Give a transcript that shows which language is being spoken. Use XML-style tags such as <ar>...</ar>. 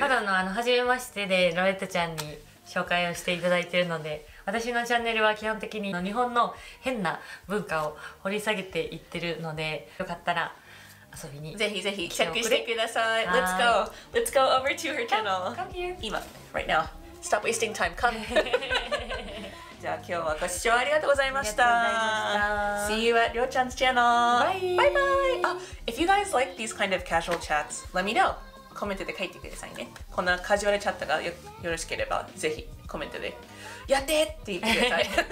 <ja>ただの初めましてでロレッタちゃんに紹介をしていただいてるので私のチャンネルは基本的に日本の変な文化を掘り下げていってるのでよかったら遊びにぜひぜひチェックしてください</ja> <en>Let's go Let's go over to her channel come here 今 right now Stop wasting time. Come.</en> <ja>じゃあ今日はご視聴ありがとうございました。</ja> <en>See you at Ryo-chan's channel. Bye. Bye bye. If you guys like these kind of casual chats, let me know.</en> <ja>コメントで書いてくださいね。こんなカジュアルチャットが よろしければ、ぜひコメントでやってって言ってください。</ja>